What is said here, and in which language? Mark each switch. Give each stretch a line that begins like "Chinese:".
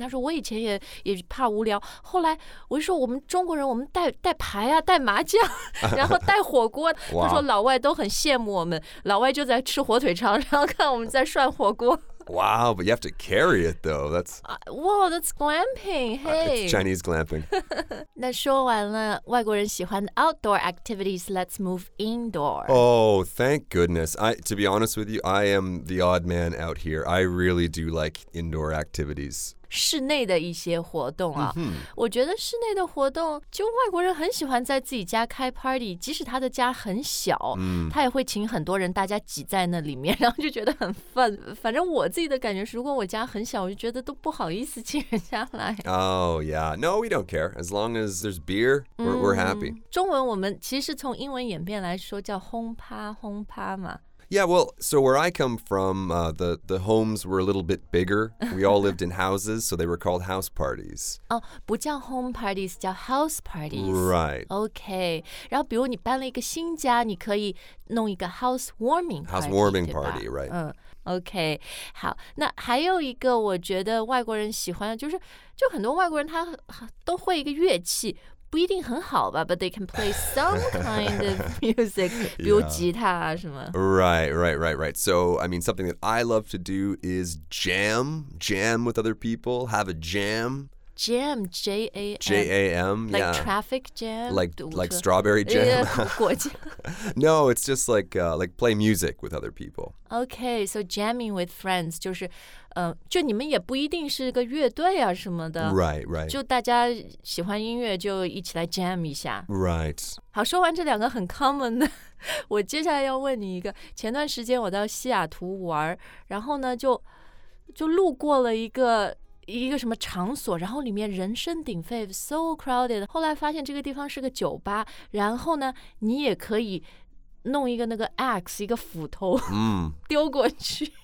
Chinese: 他说我以前也怕无聊。后来我就说我们中国人，我们带牌啊，带麻将，然后带火锅。他说老外都很羡慕我们，老外就在吃火腿肠，然后看我们在涮火锅。
English: Wow, but you have to carry it, though. That's, whoa, that's glamping. Hey. It's Chinese glamping.
Chinese: 那说完了外国人喜欢的outdoor activities,
English: let's move indoor. Oh, thank goodness. To be honest with you, I am the odd man out here. I really do like indoor activities.
Chinese: 室内的一些活动啊, mm-hmm. 我觉得室内的活动, 就外国人很喜欢在自己家开party, 即使他的家很小, mm. 他也会请很多人, 大家挤在那里面, 然后就觉得很fun, 反正我自己的感觉是, 如果我家很小, 我就觉得都不好意思请人家来。
English: Oh, yeah. No, we don't care. As long as there's beer, we're happy.
Chinese: 中文我们其实从英文演变来说, 叫轰趴轰趴嘛。
English: Yeah, well, so where I come from, the homes were a little bit bigger. We all lived in houses, so they were called house parties.
Chinese: Oh, 不叫 home parties, 叫 house parties.
English: Right.
Chinese: Okay. 然后比如你搬了一个新家, 你可以弄一个 housewarming party,
English: housewarming party, right.
Chinese: Okay, 好。那还有一个我觉得外国人喜欢的就是,就很多外国人他都会一个乐器, 不一定很好吧,
English: but they can play some kind of music,
Chinese: 比如吉他啊什么。
English: Yeah. Right. So, I mean, something that I love to do is jam with other people, have a jam. Jam, J-A-M. J-A-M, like yeah. Like traffic jam? Like strawberry jam? Yeah, no, it's just like play music with other people. Okay, so jamming with friends,
Chinese: 就是... 就你们也不一定是个乐队啊什么的
English: Right
Chinese: 就大家喜欢音乐就一起来jam一下
English: Right
Chinese: 好说完这两个很common的 我接下来要问你一个 前段时间我到西雅图玩 然后呢就路过了一个什么场所 然后里面人声鼎沸
English: So crowded
Chinese: 后来发现这个地方是个酒吧 然后呢你也可以弄一个那个axe 一个斧头 丢过去